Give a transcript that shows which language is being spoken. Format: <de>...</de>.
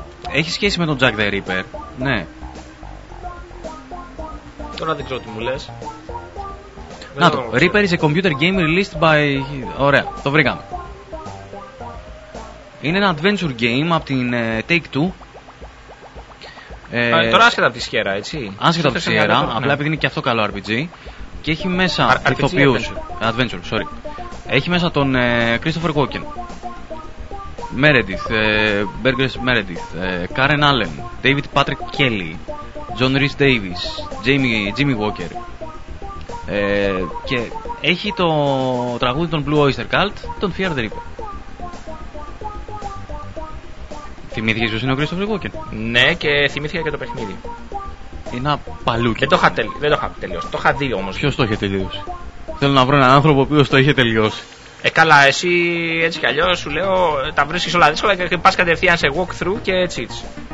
<el>Έχει σχέση με τον Jack the Ripper, ναι. Τώρα δεν ξέρω τι μου λες.</el> <en>Να το, Reaper is a computer game released by...</en> <el>Ωραία, το βρήκαμε. Είναι ένα adventure game από την Take-Two. Τώρα άσχετα από τη Sierra, έτσι. Άσχετα από τη Sierra, απλά επειδή είναι και αυτό καλό RPG. Και έχει μέσα ηθοποιούς.</el> <en>Adventure, sorry.</en> <el>Έχει μέσα τον Christopher Walken, Meredith, Burgess Meredith, Karen Allen, David Patrick Kelly, John Rhys Davies, Jimmy Walker, και έχει το τραγούδι των Blue Oyster Cult, τον Fear the Reaper. Θυμήθηκες ποιος είναι ο Christopher Walken? Ναι, και θυμήθηκα και το παιχνίδι. Είναι παλούκι. Δεν το είχα τελειώσει, το είχα δει όμως. Ποιος το είχε τελειώσει? Θέλω να βρω έναν άνθρωπο ο οποίος το είχε τελειώσει. Καλά, εσύ έτσι κι αλλιώς σου λέω, τα βρίσκεις όλα δύσκολα και πας κατευθείαν σε walkthrough και έτσι έτσι.</el>